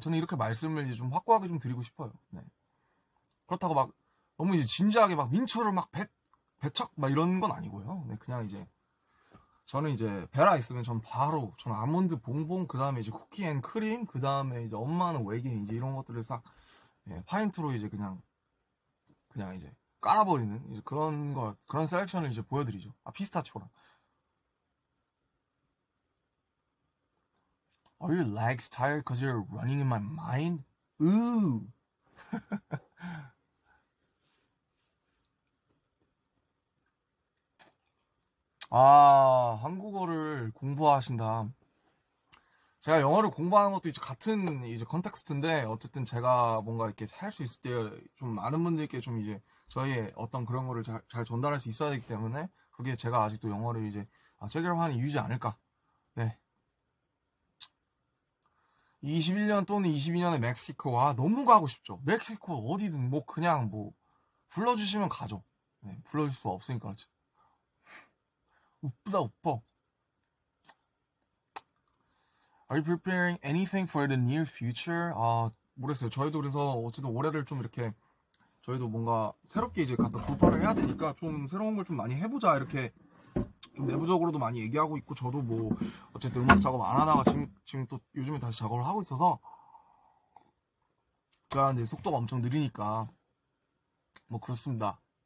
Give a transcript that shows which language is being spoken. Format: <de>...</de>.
<ko>저는 이렇게 말씀을 이제 좀 확고하게 좀 드리고 싶어요. 네. 그렇다고 막, 너무 이제 진지하게 막 민초를 막 배척 막 이런 건 아니고요. 네, 그냥 이제 저는 이제 베라 있으면 전 바로 저는 아몬드 봉봉 그다음에 이제 쿠키 앤 크림 그다음에 이제 엄마는 외계인 이제 이런 것들을 싹 예, 파인트로 이제 그냥 이제 깔아버리는 이제 그런 걸 그런 셀렉션을 이제 보여드리죠. 아 피스타치오랑</ko> <en>Are your legs tired because you're running in my mind? Ooh.</en> <ko>아, 한국어를 공부하신다. 제가 영어를 공부하는 것도 이제 같은 이제 컨텍스트인데, 어쨌든 제가 뭔가 이렇게 할수 있을 때좀 많은 분들께 좀 이제 저희의 어떤 그런 거를 잘 전달할 수 있어야 되기 때문에, 그게 제가 아직도 영어를 이제 체계화하는 이유지 않을까. 네. 21년 또는 22년에 멕시코. 와, 너무 가고 싶죠. 멕시코 어디든 뭐 그냥 뭐 불러주시면 가죠. 네, 불러줄 수가 없으니까 그렇죠. 웃보다 웃보.</ko> <en>Are you preparing anything for the near future?</en> <ko>아, 모르겠어요. 저희도 그래서 어쨌든 올해를 좀 이렇게 저희도 뭔가 새롭게 이제 갖다 돌파를 해야 되니까 좀 새로운 걸좀 많이 해보자 이렇게 좀 내부적으로도 많이 얘기하고 있고 저도 뭐 어쨌든 음악 작업 안 하다가 지금 또 요즘에 다시 작업을 하고 있어서 제가 이제 속도가 엄청 느리니까 뭐 그렇습니다.</ko>